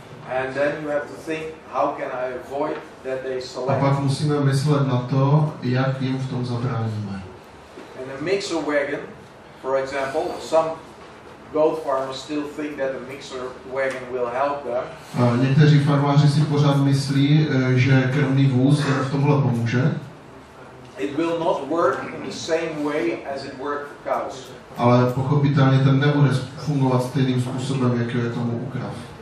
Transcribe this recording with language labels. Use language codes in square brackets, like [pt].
[en] And then you have to think, how can I avoid that they select? [cs] A pak musíme myslet na to, jak jim v tom zabráníme. [en] And a mixer wagon, for example, some goat farmers still think that a mixer wagon will help them. [cs] A někteří farmáři si pořád myslí, že krmný vůz v tomhle pomůže. [en] It will not work in the same way as it worked for cows. [cs] Ale pochopitelně ten nebude fungovat stejným způsobem, jak je tomu u krav.